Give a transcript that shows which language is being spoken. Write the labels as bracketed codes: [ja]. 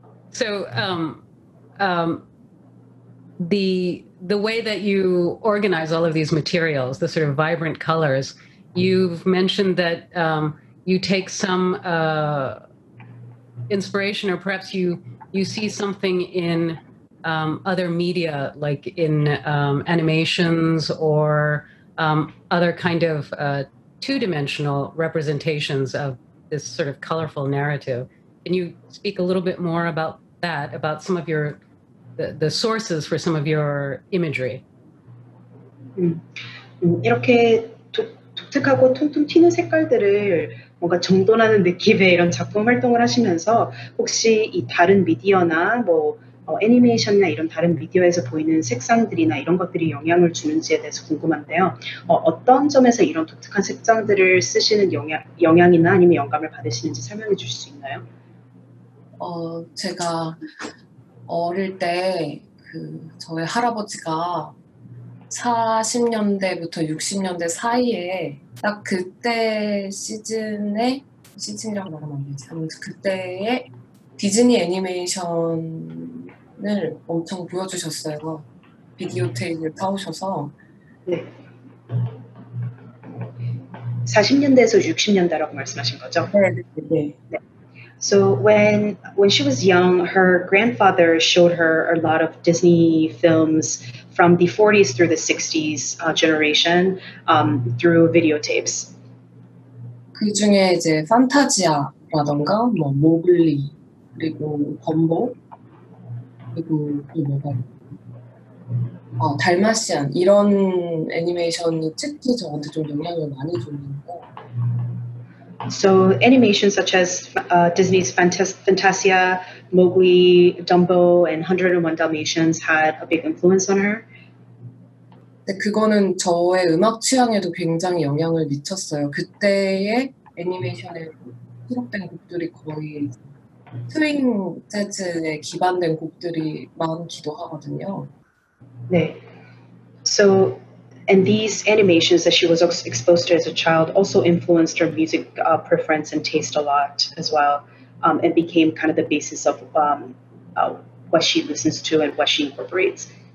[en] So the way that you organize all of these materials, the sort of vibrant colors, you've mentioned that you take some inspiration or perhaps you see something in other media, like in animations or other kind of two-dimensional representations of this sort of colorful narrative. Can you speak a little bit more about that, about some of your, the sources for some of your imagery? [ko] 이렇게 독특하고 퉁퉁 튀는 색깔들을 뭔가 정돈하는 느낌의 이런 작품 활동을 하시면서 혹시 이 다른 미디어나 뭐 애니메이션이나 이런 다른 미디어에서 보이는 색상들이나 이런 것들이 영향을 주는지에 대해서 궁금한데요. 어떤 점에서 이런 독특한 색상들을 쓰시는 영향이나 아니면 영감을 받으시는지 설명해 주실 수 있나요? 제가 어릴 때 저의 할아버지가 40년대부터 60년대 사이에 딱 그때 시즌이라고 말하면 안 되지. 그때의 디즈니 애니메이션을 엄청 보여주셨어요. 비디오 테이프를 사오셔서. 네. 40년대에서 60년대라고 말씀하신 거죠? 네. 네. 네. [en] So when she was young, her grandfather showed her a lot of Disney films from the 40s through the 60s generation through videotapes. [ko] 그 중에 이제 판타지아라던가 뭐 모글리 그리고 범보 그리고 뭐가 달마시안 이런 애니메이션이 특히 저한테 좀 영향을 많이 줬는데. [en] So animations such as Disney's Fantasia, Mowgli, Dumbo, and 101 Dalmatians had a big influence on her. [ko] 네, 그거는 저의 음악 취향에도 굉장히 영향을 미쳤어요. 그때의 애니메이션에 수록된 곡들이 거의 스윙 재즈에 기반된 곡들이 많기도 하거든요. 네. [en] So. And these animations that she was exposed to as a child also influenced her music preference and taste a lot as well, and became kind of the basis of what she listens to and what she incorporates.